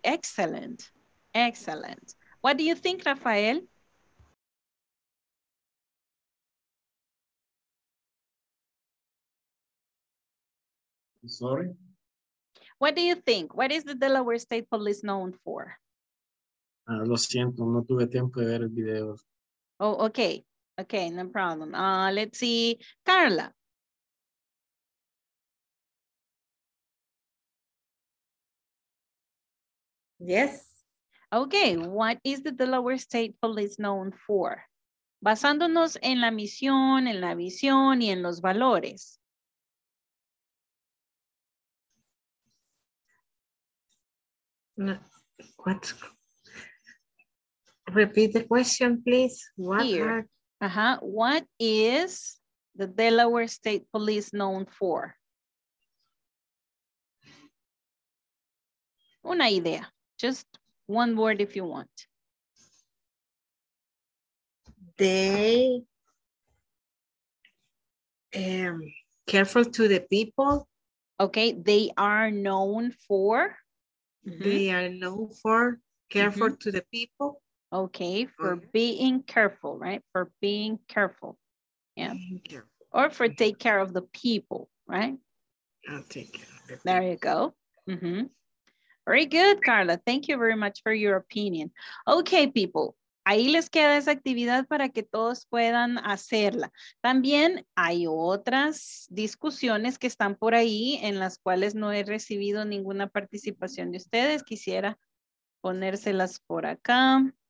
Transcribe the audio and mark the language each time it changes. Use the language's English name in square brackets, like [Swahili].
[English] Excellent. Excellent. What do you think, Rafael? Sorry? What do you think? What is the Delaware State Police known for? [Spanish] Lo siento, no tuve tiempo de ver el video. [English] Oh, okay. Okay, no problem. Let's see, Carla. Yes. Okay, what is the Delaware State Police known for? [Spanish] Basándonos en la misión, en la visión y en los valores. [English] What? Repeat the question, please. What? Here. Uh-huh. What is the Delaware State Police known for? [Spanish] Una idea. [English] Just one word if you want. They careful to the people. Okay. They are known for. Mm-hmm. They are known for careful mm-hmm. to the people. Okay, for being careful, right? For being careful. Yeah. Careful. Or for take care of the people, right? I'll take care of the people. There you go. Mm-hmm. Very good, Carla. Thank you very much for your opinion. Okay, people. [Spanish] ahí les queda esa actividad para que todos puedan hacerla. También hay otras discusiones que están por ahí en las cuales no he recibido ninguna participación de ustedes. Quisiera ponérselas por acá.